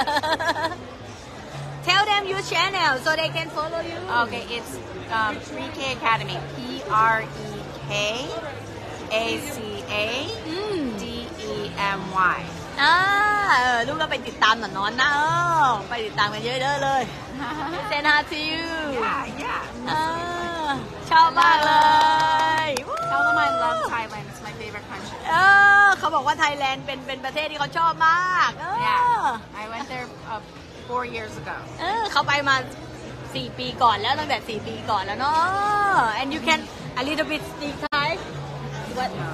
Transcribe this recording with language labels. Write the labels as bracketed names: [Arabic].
[English] อ tell them your channel so they can follow you okay it's PreK Academy P R E K A C A D E M Y [Thai] ลูกก็ไปติดตามหนอนๆนะไปติดตามกันเยอะๆเลย [English] Send her to you yeah, [Thai] yeah. ชอบมากเลย [English] Tell them I love Thailand It's my favorite country [Thai] เขาบอกว่าไทยแลนด์เป็นประเทศที่เขาชอบมาก [English] yeah. I went there 4 years ago [Thai] เขาไปมา4ปีก่อนแล้วตั้งแต่4ปีก่อนแล้วเนาะ [English] And you can a little bit speak Thai [Thai] สวัสดีค่ะ